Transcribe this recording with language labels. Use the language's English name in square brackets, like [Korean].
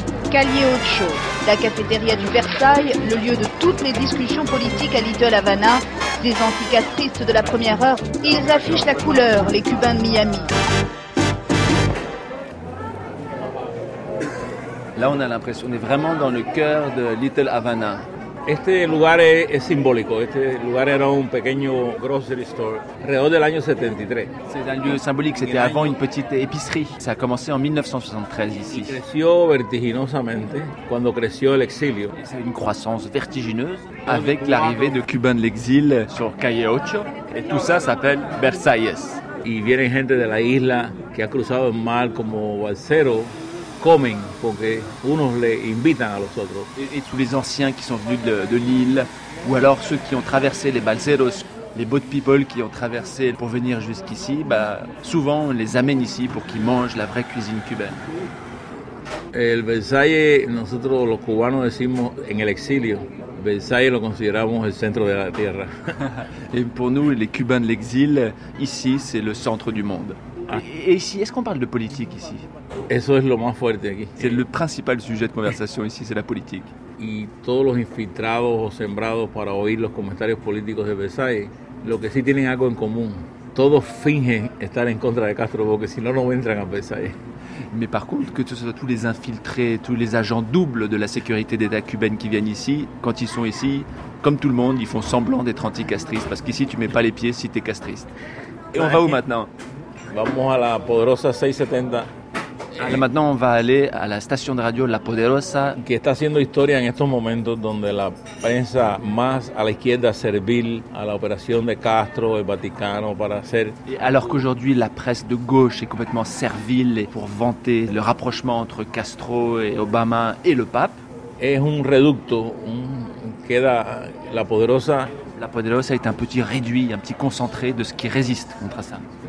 [French] Calle Ocho, la cafétéria du Versailles, le lieu de toutes les discussions politiques à Little Havana. Des anticastristes de la première heure, ils affichent la couleur, les Cubains de Miami. Là, on a l'impression, on est vraiment dans le cœur de Little Havana. [Spanish] Este lugar es simbólico. Este lugar era un pequeño grocery store alrededor del año 73. [French] C'est un lieu symbolique. C'était avant une petite épicerie. Ça a commencé en 1973 ici. [Spanish] Y creció vertiginosamente cuando creció el exilio. [French] C'est une croissance vertigineuse avec l'arrivée de Cubains de l'exil sur Calle Ocho. Et tout ça s'appelle Versailles. [Spanish] Y vienen gente de la isla que ha cruzado el mar como Balsero. Comen porque unos les invitan a los otros. [French] Et tous les anciens qui sont venus de l'île, ou alors ceux qui ont traversé les balseros, les boat people qui ont traversé pour venir jusqu'ici, bah, souvent on les amène ici pour qu'ils mangent la vraie cuisine cubaine. [Spanish] El Versailles, nosotros los cubanos decimos en el exilio, Versailles lo consideramos el centro de la tierra. [French] Et pour nous, les Cubains de l'exil, ici c'est le centre du monde. Et ici, est-ce qu'on parle de politique ici? [Spanish] Eso es lo más fuerte aquí. [French] C'est le principal sujet de conversation ici, c'est la politique. [Spanish] Y todos los infiltrados o sembrados para oír los comentarios políticos de Versailles, lo que sí tienen algo en común, todos fingen estar en contra de Castro, porque si no, no entran a Versailles. [French] Mais par contre, que ce soit tous les infiltrés, tous les agents doubles de la sécurité d'État cubaine qui viennent ici, quand ils sont ici, comme tout le monde, ils font semblant d'être anti-castristes, parce qu'ici, tu ne mets pas les pieds si tu es castriste. Et on va où maintenant? [Spanish] Vamos a la Poderosa 670. [French] Alors maintenant, on va aller à la station de radio La Poderosa. Qui est [Spanish] haciendo historia en estos momentos, donde la prensa más a la izquierda servil a la operación de Castro, el Vaticano, para hacer. [French] Alors qu'aujourd'hui, la presse de gauche est complètement servile pour vanter le rapprochement entre Castro et Obama et le pape. [Spanish] Es un reducto, queda La Poderosa. [French] La Poderosa est un petit réduit, un petit concentré de ce qui résiste contre ça.